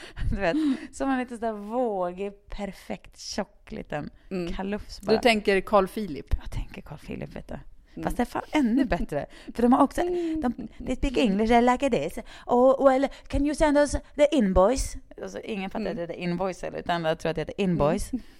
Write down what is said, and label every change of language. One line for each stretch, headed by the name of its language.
Swedish: Du vet, som en liten sådär vågig perfekt tjock liten kalufs bara. Du tänker Carl Philip. Jag tänker Carl Philip, vet du. Fast det är fan ännu bättre. För de har också
English: they speak English like this. Oh, well, can you send us the invoice?
Swedish: Alltså, ingen fattar att det är invoice eller, utan jag tror att det är invoice.